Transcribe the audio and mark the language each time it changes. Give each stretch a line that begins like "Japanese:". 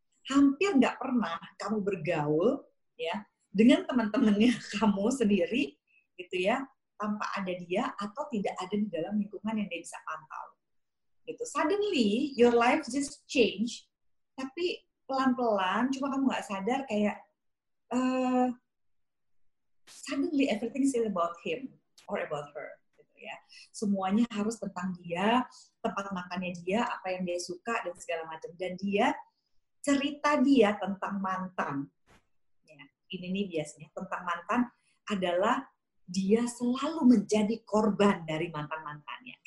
Indonesian: Hampir nggak pernah kamu bergaul, ya, dengan teman-temannya kamu sendiri, gitu ya, tanpa ada dia atau tidak ada di dalam lingkungan yang dia bisa pantau. Gitu.
English: Suddenly, your life just change,
Indonesian: tapi pelan-pelan, cuma kamu nggak sadar kayak,
English: suddenly everything is about him or about her.
Indonesian: Gitu ya. Semuanya harus tentang dia, tempat makannya dia, apa yang dia suka, dan segala macam. Dan dia, cerita dia tentang mantan, ini nih biasanya tentang mantan adalah dia selalu menjadi korban dari mantan-mantannya.